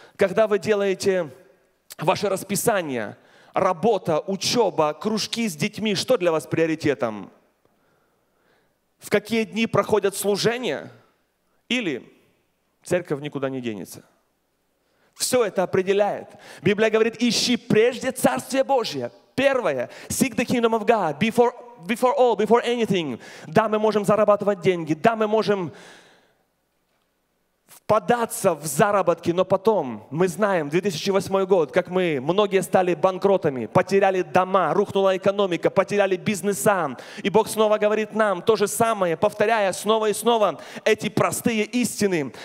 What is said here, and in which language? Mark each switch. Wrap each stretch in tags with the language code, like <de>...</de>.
<ru>Когда вы делаете ваше расписание, работа, учеба, кружки с детьми, что для вас приоритетом? В какие дни проходят служения? Или церковь никуда не денется? Все это определяет. Библия говорит, ищи прежде Царствие Божие. Первое,</ru> <en>seek the kingdom of God before all, before anything.</en> <ru>Да, мы можем зарабатывать деньги, да, мы можем впадаться в заработки, но потом мы знаем, 2008 год, как мы, многие стали банкротами, потеряли дома, рухнула экономика, потеряли бизнеса. И Бог снова говорит нам то же самое, повторяя снова и снова эти простые истины.</ru>